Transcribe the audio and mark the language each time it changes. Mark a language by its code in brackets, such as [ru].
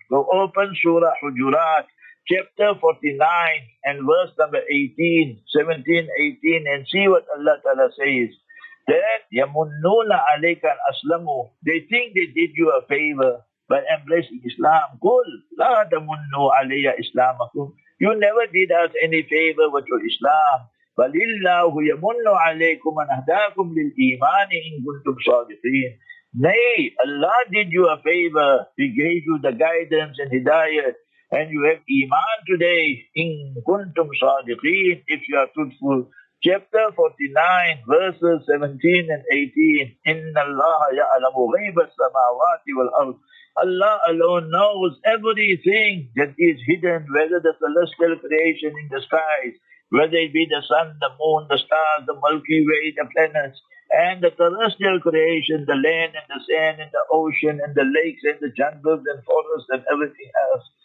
[en] Go open Surah Hujurat, chapter 49, and verse number 18, 17, 18, and see what Allah Ta'ala says. That, [ar] يَمُنُّونَ عَلَيْكَ الْأَسْلَمُ [en] they think they did you a favor by embracing Islam. [ar] قُلْ لَا تَمُنُّوا عَلَيَّ إِسْلَامَكُمْ [en] you never did us any favor with your Islam. [ar] بل الله يمن عليكم ان هداكم للايمان ان كنتم صادقين. [en] Nay, Allah did you a favor, He gave you the guidance and hidayat, and you have iman today, [ar] in kuntum sadiqeen, [en] if you are truthful. Chapter 49, verses 17 and 18, [ar] إِنَّ اللَّهَ يَعْلَمُ غَيْبَ السَّمَاوَاتِ وَالْأَرْضِ. [en] Allah alone knows everything that is hidden, whether the celestial creation in the skies, whether it be the sun, the moon, the stars, the Milky Way, the planets, and the terrestrial creation, the land and the sand and the ocean and the lakes and the jungles and forests and everything else.